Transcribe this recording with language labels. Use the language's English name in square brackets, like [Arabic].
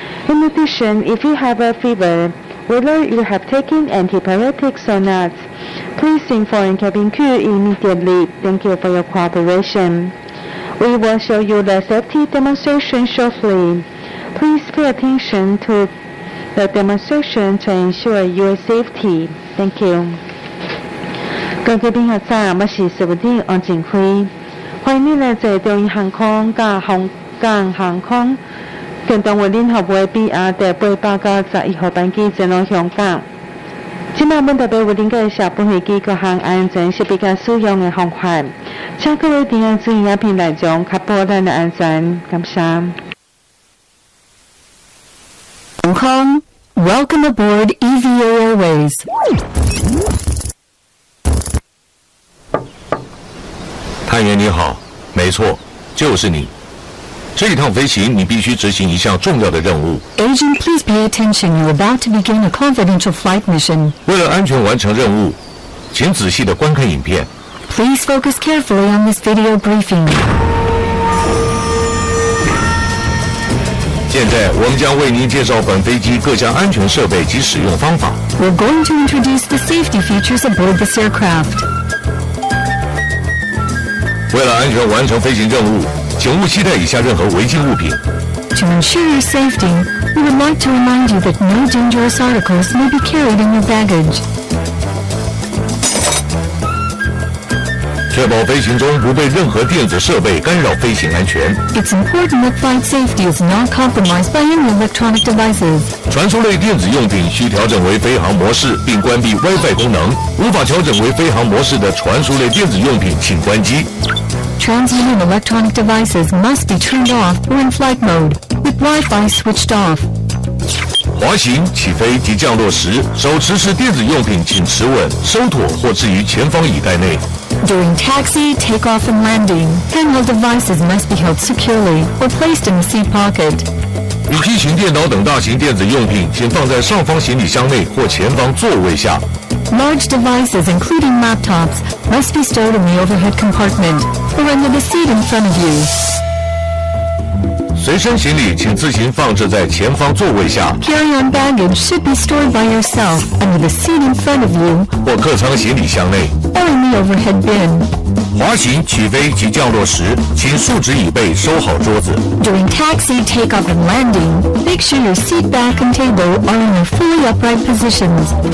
[English] In addition, if you have a fever, whether you have taken antibiotics or not, please inform cabin crew immediately. Thank you for your cooperation. We will show you the safety demonstration shortly. Please pay attention to the demonstration to ensure your safety. Thank you. [Chinese] 各位贵宾好，我是司机王景辉。欢迎您来坐中英航空和香港航空，跟同为您服务的 BR891号班机前往香港。今晚我们特别为您介绍本飞机各项安全设备和使用的方法，请各位听众注意影片内容，确保您的安全。感谢。 [English] Hong Kong, welcome aboard EVA Airways. Agent, please pay attention. You're about to begin a confidential flight mission. [Chinese] 为了安全完成任务，请仔细地观看影片。 [English] Please focus carefully on this video briefing. [Chinese] 现在我们将为您介绍本飞机各项安全设备及使用方法。 [English] We're going to introduce the safety features aboard this aircraft. [Chinese] 为了安全完成飞行任务，请勿携带以下任何违禁物品。 [English] To ensure your safety, we would like to remind you that no dangerous articles may be carried in your baggage. [Chinese] 确保飞行中不被任何电子设备干扰飞行安全。 [English] It's important that flight safety is not compromised by any electronic devices. [Chinese] 传输类电子用品需调整为飞行模式并关闭 Wi-Fi 功能。无法调整为飞行模式的传输类电子用品请关机。 [English] Transmitting electronic devices must be turned off or in flight mode, with Wi-Fi switched off. [Chinese] 滑行、起飞及降落时，手持式电子用品请持稳、收妥或置于前方椅袋内。 [English] During taxi, takeoff and landing, handheld devices must be held securely or placed in the seat pocket. [Chinese] 笔记型电脑等大型电子用品请放在上方行李箱内或前方座位下。 [English] Large devices, including laptops, must be stored in the overhead compartment or under the seat in front of you. [Chinese] 随身行李请自行放置在前方座位下。 [English] Carry-on baggage should be stored by yourself under the seat in front of you [Chinese] 或客舱行李箱内。 [English] Or in the overhead bin. [Chinese] 滑行、起飞及降落时，请竖直椅背，收好桌子。 [English] During taxi, takeoff and landing, make sure your seat back and table are in their fully upright positions.